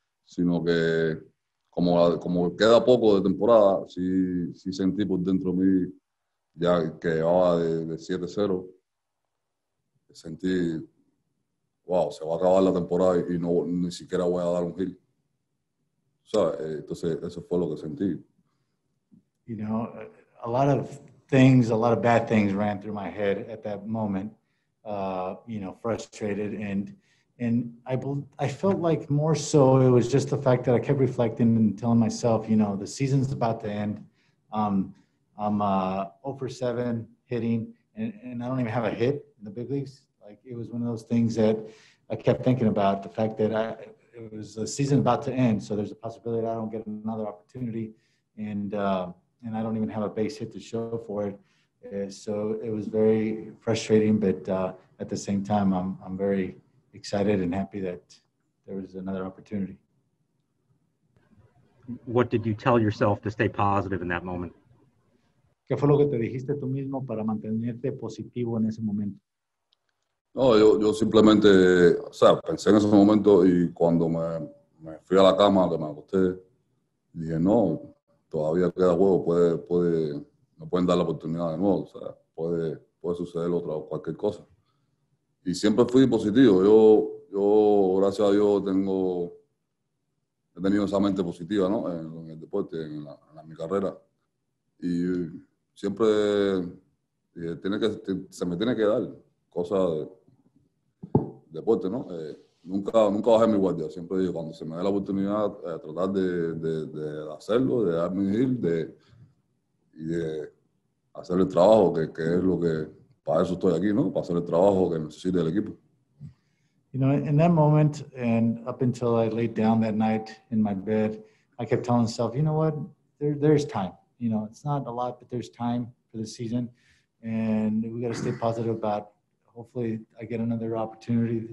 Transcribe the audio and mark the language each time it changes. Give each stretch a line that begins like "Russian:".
Spanish: Sino que como queda poco de temporada, sí sentí por dentro de mí, ya que llevaba de 7-0, sentí, wow, se va a acabar la temporada y no, ni siquiera voy a dar un hit. O sea, entonces eso fue lo que sentí.
English: You know, a lot of things, a lot of bad things ran through my head at that moment, you know, frustrated. And I felt like more so it was just the fact that I kept reflecting and telling myself, you know, the season's about to end. I'm 0-7 hitting, and I don't even have a hit in the big leagues. Like, it was one of those things that I kept thinking about, the fact that it was the season about to end, so there's a possibility that I don't get another opportunity. And I don't even have a base hit to show for it. So it was very frustrating, but at the same time, I'm very excited and happy that there was another opportunity. What did you tell yourself to stay positive in that moment?
Spanish: ¿Qué fue lo que te dijiste tú mismo para mantenerte positivo en ese momento? No, yo simplemente, o sea, pensé en ese momento y cuando me fui a la cama, que me acosté, dije, no, todavía queda juego, puede no pueden dar la oportunidad de nuevo. O sea, puede suceder otra o cualquier cosa. Y siempre fui positivo. Yo, gracias a Dios, he tenido esa mente positiva, ¿no? En el deporte, en mi carrera. Y siempre se me tiene que dar cosas de deporte, ¿no? Nunca bajé mi guardia. Siempre digo, cuando se me dé la oportunidad, tratar de hacerlo, de darme ir, y de hacer el trabajo, que es lo que, para eso estoy aquí, ¿no? Para hacer el trabajo que necesita el equipo.
English: You know, in that moment, and up until I laid down that night in my bed, I kept telling myself, you know what, there's time. You know, it's not a lot, but there's time for the season. And we got to stay positive about, hopefully I get another opportunity.